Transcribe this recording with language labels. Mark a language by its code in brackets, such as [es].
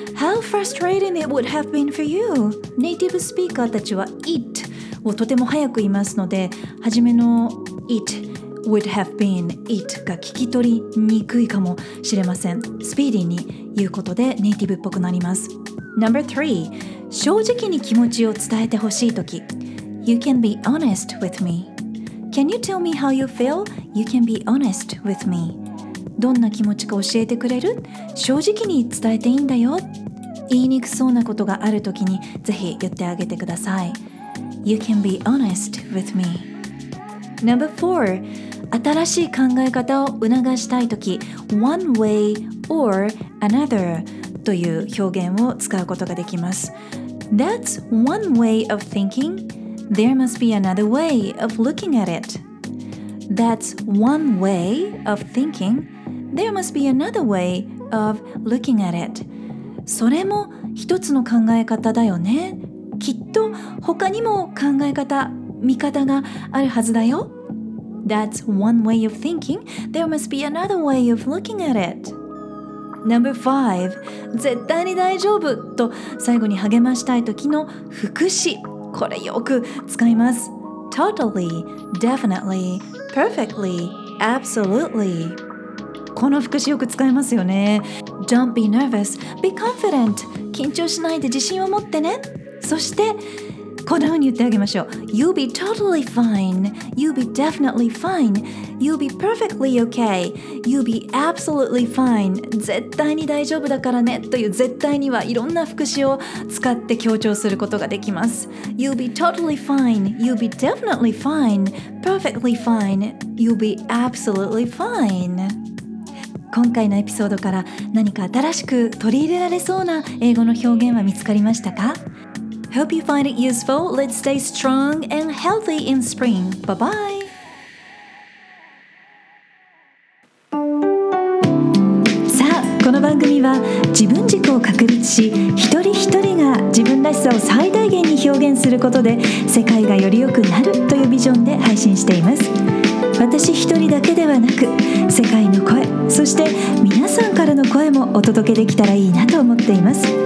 [en] How frustrating it would have been for you [ja] ネイティブスピーカーたちは It をとても早く言いますので、初めの It would have been it が聞き取りにくいかもしれません。スピーディーに言うことでネイティブっぽくなります。 [en] No.3 [ja] 正直に気持ちを伝えてほしいとき、 [en] You can be honest with me Can you tell me how you feel? You can be honest with me [ja] どんな気持ちか教えてくれる？正直に伝えていいんだよ。言いにくそうなことがあるときにぜひ言ってあげてください。 [en] You can be honest with meNo.4 [ja] 新しい考え方を促したいとき、 [en] One way or another [ja] という表現を使うことができます。 [en] That's one way of thinking There must be another way of looking at it That's one way of thinking There must be another way of looking at it [ja] それも一つの考え方だよね、きっと他にも考え方、見方があるはずだよ。 [en] That's one way of thinking. There must be another way of looking at it. [ja] No.5 絶対に大丈夫と最後に励ましたい時の副詞、これよく使います。 [en] Totally, definitely, perfectly, absolutely [ja] この副詞よく使いますよね。 [en] Don't be nervous, be confident [ja] 緊張しないで自信を持ってね。そしてこんなふうに言ってあげましょう。 [en] You'll be totally fine. You'll be definitely fine. You'll be perfectly okay. You'll be absolutely fine. [ja] 絶対に大丈夫だからねという絶対にはいろんな副詞を使って強調することができます。 [en] You'll be totally fine. You'll be definitely fine. Perfectly fine. You'll be absolutely fine. [ja] 今回のエピソードから何か新しく取り入れられそうな英語の表現は見つかりましたか？ [en] Hope you find it useful. Let's stay strong and healthy in spring. Bye-bye. [ja] さあ、この番組は自分軸を確立し、一人一人が自分らしさを最大限に表現することで世界がより良くなるというビジョンで配信しています。私一人だけではなく、世界の声、そして皆さんからの声もお届けできたらいいなと思っています。